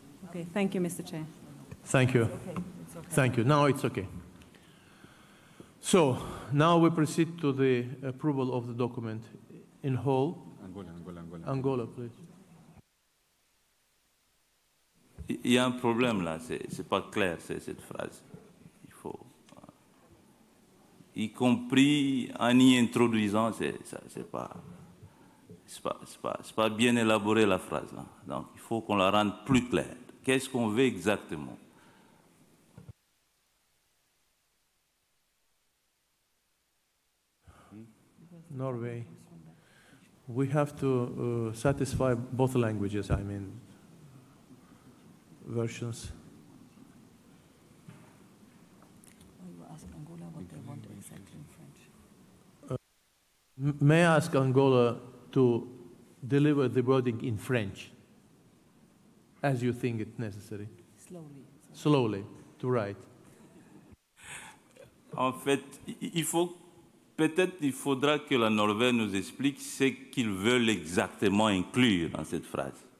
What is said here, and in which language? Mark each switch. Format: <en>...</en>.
<en>Okay, thank you, Mr. Chair. Thank you. Okay. It's okay. Thank you. Now it's okay. So, now we proceed to the approval of the document in whole. Angola, please.</en> <fr>Il y a un problème là, c'est pas clair cette phrase. Il faut. Y compris en y introduisant, c'est pas bien élaboré la phrase là. Donc il faut qu'on la rende plus claire. Qu'est-ce qu'on veut exactement?</fr> <en>Norway. We have to satisfy both languages, I mean. Versions. May I ask Angola to deliver the wording in French as you think it necessary? Slowly to write.</en> <fr>En fait, il faudra que la Norvège nous explique ce qu'ils veulent exactement inclure dans cette phrase.</fr>